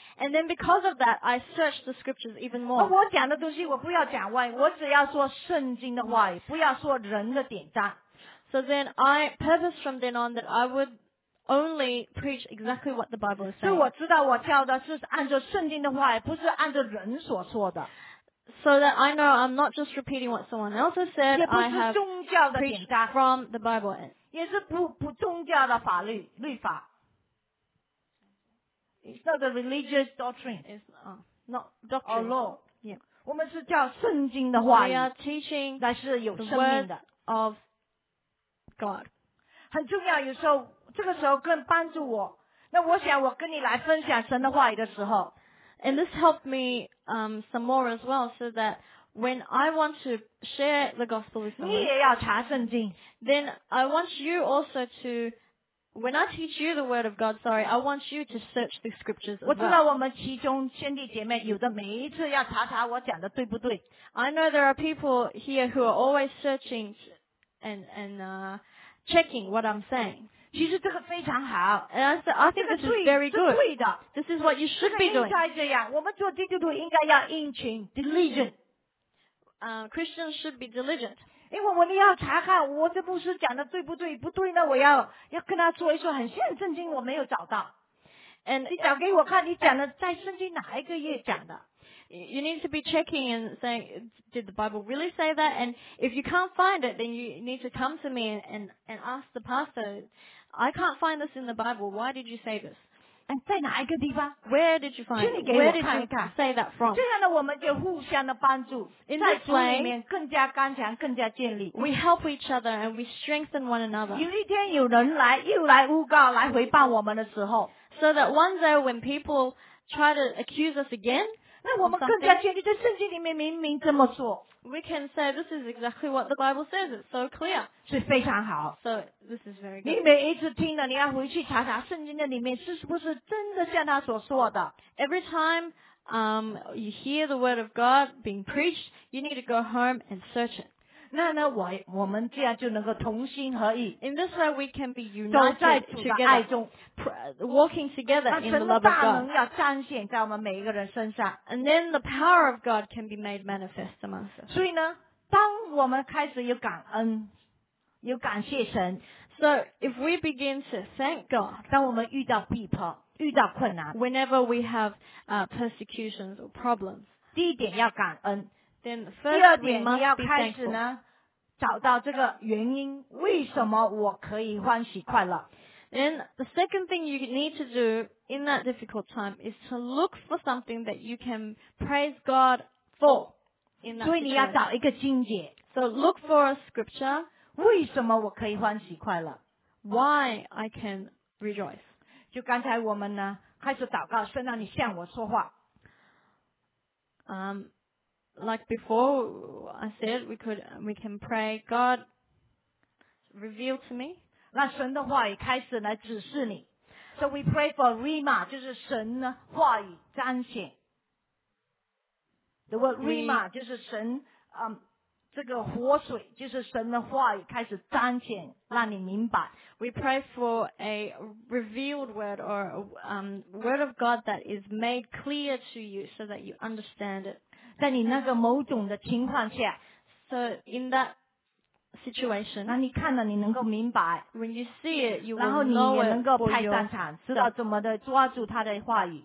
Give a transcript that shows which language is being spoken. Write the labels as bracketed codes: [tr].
[en] ，and then because of that, I search the scriptures even more. [zh] 我讲的东西我不要讲外，我只要说圣经的话语，不要说人的典章。 [en] So then I purpose from then on that I would only preach exactly what the Bible says. [zh] 所以我知道我教的是按照圣经的话语，不是按照人所说的。 [en] So that I know I'm not just repeating what someone else has said. [zh] 也不是宗教的典章 [en] from the Bible. [zh] 也是不宗教的法律律法。 [en] It's not a religious doctrine. It's not doctrine. Or law. Yeah. [zh] 我们是叫圣经的话语。 [en] We are teaching [zh] 但是有生命的 [en] the word of God. [zh] 很重要，有时候，这个时候更帮助我。那我想我跟你来分享神的话语的时候。 [en] And this helped me some more as well, so that when I want to share the gospel with someone, [zh] 你也要查圣经。 [en] Then I want you also to... When I teach you the word of God, sorry, I want you to search the scriptures as well. [zh] 我知道我们其中兄弟姐妹有的每一次要查查我讲的对不对。 [en] I know there are people here who are always searching and checking what I'm saying. [zh] 其实这个非常好。 [en] And I think this is very good. [zh] 这是对的。 [en] This is what you should be doing. [zh] 应该这样。我们做基督徒应该要殷勤 ,diligent. [en] Christians should be diligent. [zh] 因为我们要查看我这牧师讲的对不对，不对呢，我要跟他说一说，很像圣经我没有找到。 [en] And, [zh] 你找给我看，你讲的在圣经哪一个页讲的 [en] ？You need to be checking and saying, did the Bible really say that? And if you can't find it, then you need to come to me and ask the pastor. I can't find this in the Bible. Why did you say this? And [zh] 在哪一个地方 [en] ？Where did you find? [zh] 请你给我看一看。 [en] Where did you say that from? [zh] 这样呢，我们就互相的帮助， [en] In、 [zh] 在主里面更加刚强，更加建立。 [en] We help each other and we strengthen one another. [zh] 有一天有人来，又来诬告，来回谤我们的时候 [en] ，so that one day when people try to accuse us again, [zh] 那我们更加坚定，在圣经里面明明这么说。 [en] We can say this is exactly what the Bible says. It's so clear. [zh] 是非常好。 [en] So this is very good. [zh] 你每一次听了，你要回去查查圣经的里面是不是真的像他所说的。 [en] Every time, you hear the word of God being preached, you need to go home and search it. [zh] 那呢，我们这样就能够同心合意。 [en] In this way, we can be united together. Walking together in the love of God. [zh] 那神的大能要彰显在我们每一个人身上。 [en] And then the power of God can be made manifest among us. [zh] 所以呢，当我们开始有感恩，有感谢神。 [en] So if we begin to thank God. [zh] 当我们遇到逼迫，遇到困难。 [en] Whenever we have persecutions or problems. [zh] 第一点要感恩。 [en] Then first, [zh] 第二点，你要开始呢，找到这个原因，为什么我可以欢喜快乐。 [en] Then the second thing you need to do in that difficult time is to look for something that you can praise God for. In that situation. [zh] 所以你要找一个经节。 [en] So look for a scripture. [zh] 为什么我可以欢喜快乐 [en] ？Why I can rejoice? [zh] 就刚才我们呢，开始祷告，神啊，你向我说话。 [en] Like before, I said we can pray. God, reveal to me. [zh] 那神的话语开始来指示你。 [en] So we pray for Rima, [zh] 就是神的话语彰显。 [en] The word Rima [zh] 就是神，这个活水就是神的话语开始彰显，让你明白。 [en] We pray for a revealed word or word of God that is made clear to you so that you understand it. [zh] 在你那个某种的情况下 [en] ，so in that situation， [zh] 那你看了你能够明白 [en] ，when you see it， you [zh] 然后你也能够派上场，知道怎么的抓住他的话语